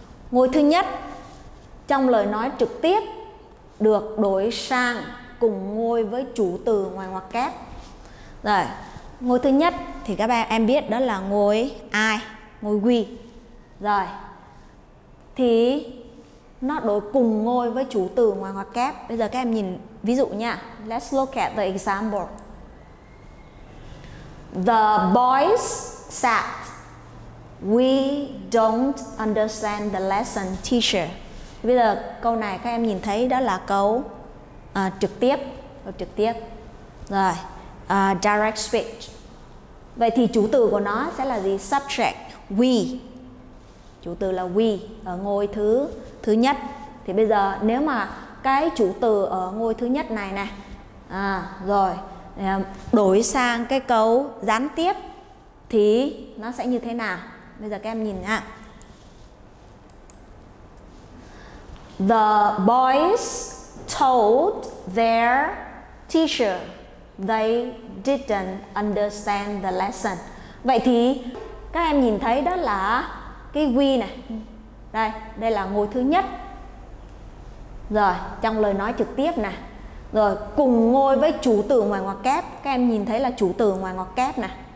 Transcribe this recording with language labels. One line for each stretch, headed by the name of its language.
Vietnamese: Ngôi thứ nhất trong lời nói trực tiếp được đổi sang cùng ngôi với chủ từ ngoài ngoặc kép. Rồi, ngôi thứ nhất thì các bạn em biết đó là ngôi I, ngôi we. Rồi, thì nó đổi cùng ngôi với chủ từ ngoài ngoặc kép. Bây giờ các em nhìn ví dụ nha.
English: Let's look at the example. The boys said, we don't understand the lesson, teacher.
Vietnamese: Bây giờ câu này các em nhìn thấy đó là câu trực tiếp. Câu trực tiếp. Rồi,
English: direct speech.
Vietnamese: Vậy thì chủ từ của nó sẽ là gì?
English: Subject, we.
Vietnamese: Chủ từ là we ở ngôi thứ nhất. Thì bây giờ nếu mà cái chủ từ ở ngôi thứ nhất này nè, rồi đổi sang cái câu gián tiếp thì nó sẽ như thế nào? Bây giờ các em nhìn nha.
English: The boys told their teacher they didn't understand the lesson.
Vietnamese: Vậy thì các em nhìn thấy đó là cái we này, Đây, đây là ngôi thứ nhất. Rồi, trong lời nói trực tiếp nè. Rồi, cùng ngôi với chủ từ ngoài ngoặc kép. Các em nhìn thấy là chủ từ ngoài ngoặc kép nè.